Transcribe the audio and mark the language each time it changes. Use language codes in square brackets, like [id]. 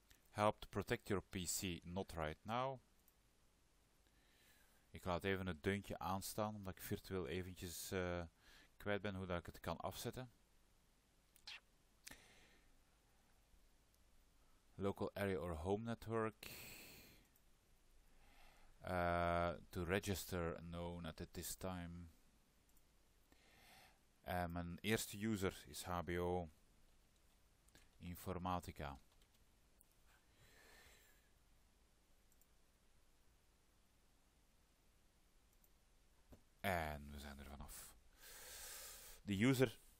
[en] Help to protect your PC, not right now. [nl] Ik laat even het deuntje aanstaan, omdat ik virtueel eventjes kwijt ben hoe dat ik het kan afzetten. [en] Local area or home network. To register, no, not at this time. [nl] Mijn eerste user is HBO Informatica. En we zijn er vanaf. De user.